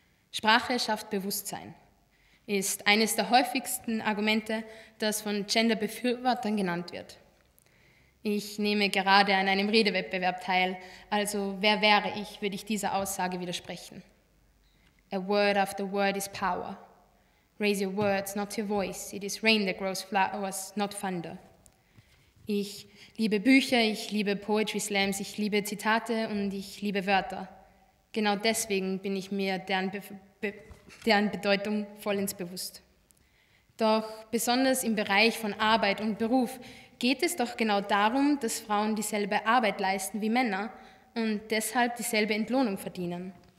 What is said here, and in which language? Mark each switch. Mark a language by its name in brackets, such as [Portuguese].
[German] Sprache schafft Bewusstsein, ist eines der häufigsten Argumente, das von Gender-Befürwortern genannt wird. Ich nehme gerade an einem Redewettbewerb teil, also wer wäre ich, würde ich dieser Aussage widersprechen. [English] A word after word is power. Raise your words, not your voice. It is rain that grows flowers, not thunder. [German] Ich liebe Bücher, ich liebe Poetry Slams, ich liebe Zitate und ich liebe Wörter. Genau deswegen bin ich mir deren Bedeutung vollends bewusst. Doch besonders im Bereich von Arbeit und Beruf geht es doch genau darum, dass Frauen dieselbe Arbeit leisten wie Männer und deshalb dieselbe Entlohnung verdienen.